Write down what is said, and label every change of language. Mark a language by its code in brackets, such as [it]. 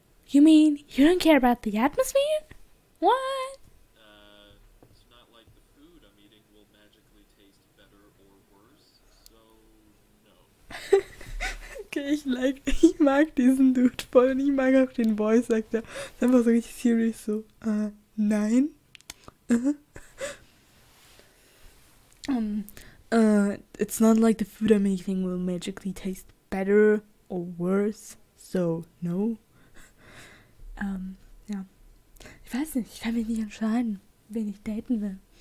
[en] You mean, you don't care about the atmosphere? What? It's not like the food I'm eating will magically taste better or worse, so no. [de] Okay, ich mag diesen Dude voll und ich mag auch den Voice Actor. Ist einfach so richtig serious, so, nein? [en] It's not like the food I'm eating will magically taste better or worse, so no. [de] Ja. Ich weiß nicht, ich kann mich nicht entscheiden, wen ich daten will.